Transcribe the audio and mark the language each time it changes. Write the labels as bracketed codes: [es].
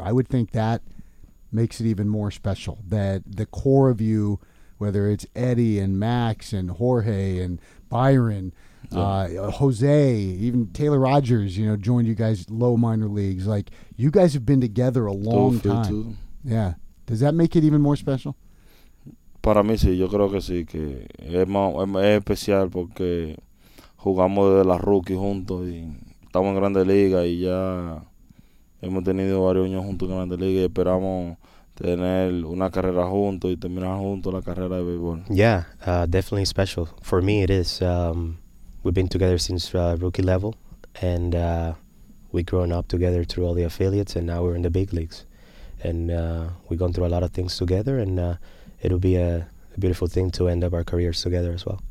[en] I would think that makes it even more special, that the core of you, whether it's Eddie and Max and Jorge and Byron, Jose, even Taylor Rogers, you know, joined you guys low minor leagues. Like, you guys have been together a long time. Too. Yeah. Does that make it even more special? [es] Para mí sí, yo creo que sí, que es especial porque jugamos de la rookie juntos y estamos en Grandes Ligas y ya hemos tenido varios años juntos en Grandes Ligas y esperamos tener una carrera juntos y terminar juntos la carrera de béisbol. [en] Yeah, definitely special. For me, it is. We've been together since rookie level, and we've grown up together through all the affiliates, and now we're in the big leagues. And we've gone through a lot of things together, and it'll be a beautiful thing to end up our careers together as well.